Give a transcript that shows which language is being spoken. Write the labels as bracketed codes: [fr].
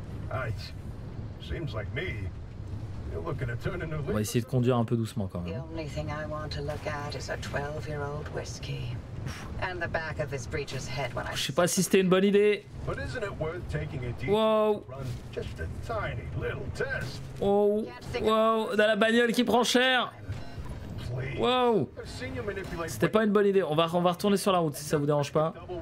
[fr] On va essayer de conduire un peu doucement quand même. [en] The only thing I want to look at is a 12-year-old whiskey. And the back of his breeches head when I... [fr] Je sais pas si c'était une bonne idée. [en] But isn't it worth taking a deep... Wow. Run just a tiny little test. [fr] Oh. Wow. Dans la bagnole qui prend cher. Wow. C'était pas une bonne idée. On va retourner sur la route si ça vous dérange pas.